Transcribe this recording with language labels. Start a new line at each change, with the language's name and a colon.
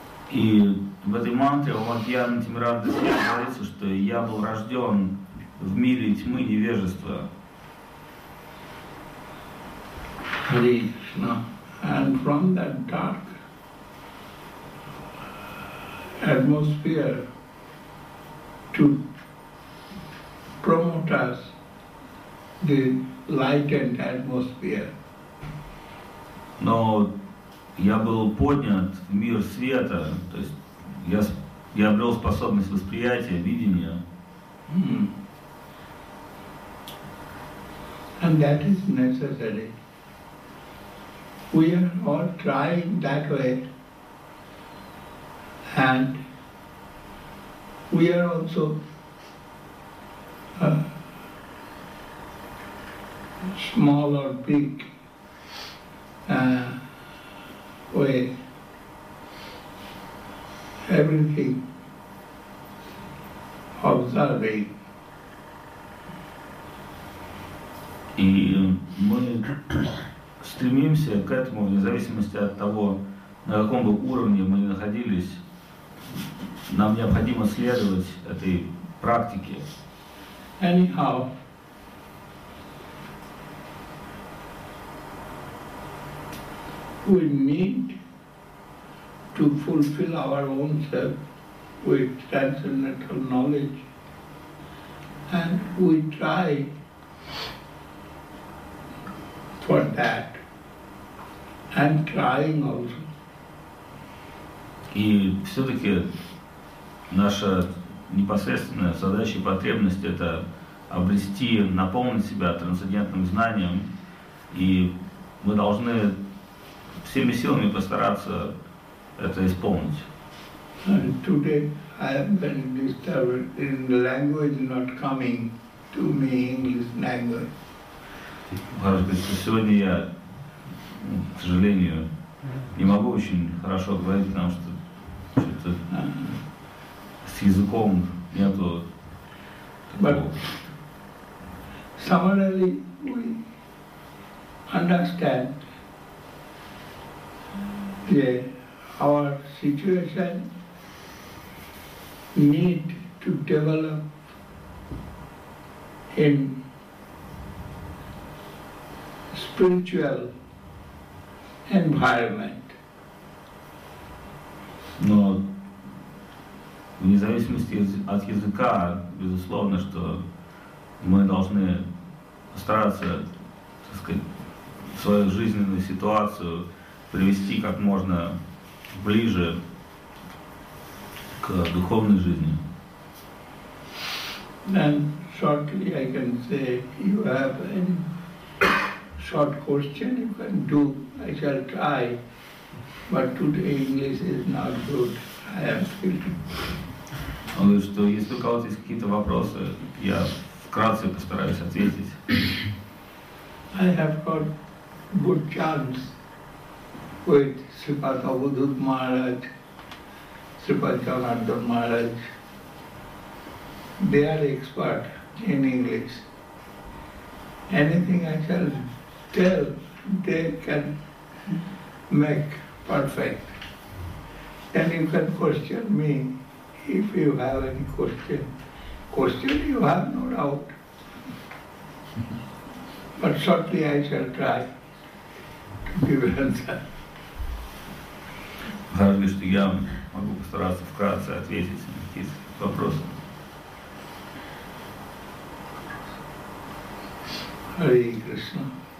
Russian: И в этой мантре о Матьяне Тимирандасе говорится, что я был рожден в мире тьмы невежества.
English: Hare Krishna. And from that dark atmosphere to promote us the lightened atmosphere.
Russian: Но я был поднят в мир света, то есть я обрел способность восприятия, видения.
English: And that is necessary. We are all trying that way. And we are also small or big way. Everything observing.
Russian: И мы стремимся к этому, вне зависимости от того, на каком бы уровне мы находились, нам необходимо следовать этой практике.
English: Anyhow, we need to fulfill our own self with transcendental knowledge, and we try for that, and trying also.
Russian: И все-таки наша непосредственная задача и потребность — это обрести, наполнить себя трансцендентным знанием, и мы должны всеми силами постараться это исполнить.
English: Today I have been disturbed in the language not coming to me, English language.
Russian: Может быть, сегодня я, к сожалению, не могу очень хорошо говорить, потому что что-то с языком нету такого.
English: Summarily, we understand that our situation need to develop in spiritual environment.
Russian: Но вне зависимости от языка, безусловно, что мы должны стараться, так сказать, свою жизненную ситуацию привести как можно ближе к духовной жизни.
English: Then shortly I can say, you have any short question you can do, I shall try, but today English is not good, I am feeling.
Russian: Он говорит, что если у кого-то есть какие-то вопросы, я вкратце постараюсь ответить.
English: I have got good chance with Sripad Avadhut Maharaj, Sripad Janardhan Maharaj. They are expert in English. Anything I shall tell, they can make perfect. Then you can question me if you have any question. Question you have, no doubt. But shortly I shall try to give an answer.
Russian: Разве что я могу постараться вкратце ответить на какие-то вопросы.
English: Hare Krishna.